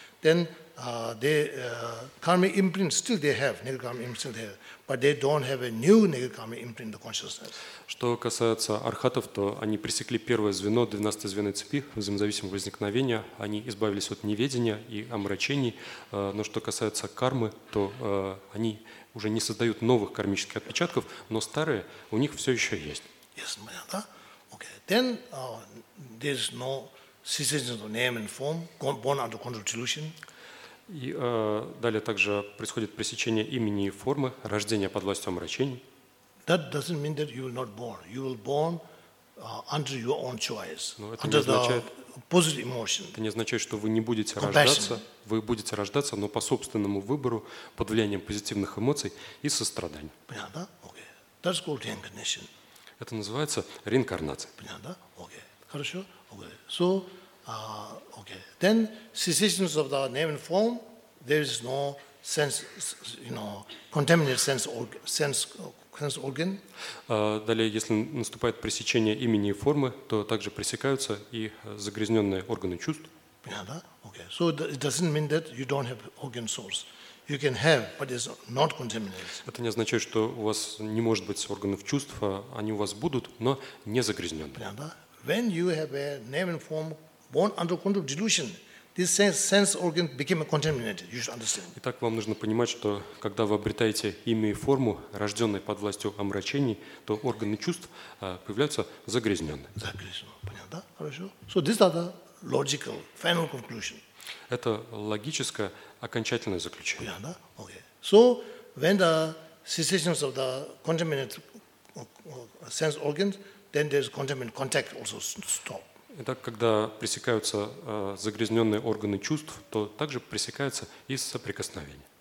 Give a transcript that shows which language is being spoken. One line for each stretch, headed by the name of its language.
English: Then karma imprint still they have, negative karma imprint still they have. But they don't have a new negative karma imprint in the consciousness.
Russian: Что касается архатов, то они пресекли первое звено 12-звенной цепи взаимозависимого возникновения, они избавились от неведения и омрачений. Но что касается кармы, то они уже не создают новых кармических отпечатков, но старые у них все еще есть.
English: Yes, понятно. Okay. Then there's no cessation of name and form born under control delusion.
Russian: И далее также происходит пресечение имени и формы, рождение под властью омрачений.
English: That doesn't mean that you will not born. You will born under your own choice.
Russian: Но это не означает,
English: positive emotion.
Russian: Это не означает, что вы не будете рождаться. Вы будете рождаться, но по собственному выбору, под влиянием позитивных эмоций и сострадания. Понятно, да?
English: Okay. That's called reincarnation.
Russian: Это называется реинкарнация.
English: Понятно, да? Okay. Хорошо? Okay. So, okay. Then cessations of the name and form, there is no sense, you know, contaminated sense organ.
Russian: Далее, если наступает пресечение имени и формы, то также пресекаются и загрязненные органы чувств. Понятно, да? Okay.
English: So it doesn't mean that you don't have organ source. You can have, but it's not contaminated.
Russian: Это не означает, что у вас не может быть органов чувств, они у вас будут, но не загрязненные. Понятно, да?
English: When you have a name and form born under control delusion, this sense organ became contaminated. You should understand.
Russian: Итак, вам нужно понимать, что когда вы обретаете имя и форму, рожденные под властью омрачений, то органы чувств появляются загрязненные. Загрязненные. Понятно, да? Хорошо.
English: So this is the logical final conclusion.
Russian: Это логическое окончательное заключение. Понятно, да? Okay.
English: So when the cessations of the contaminated sense organs, then there's contaminant contact also stop.
Russian: Итак, когда пресекаются загрязненные органы чувств, то также пресекается и соприкосновение.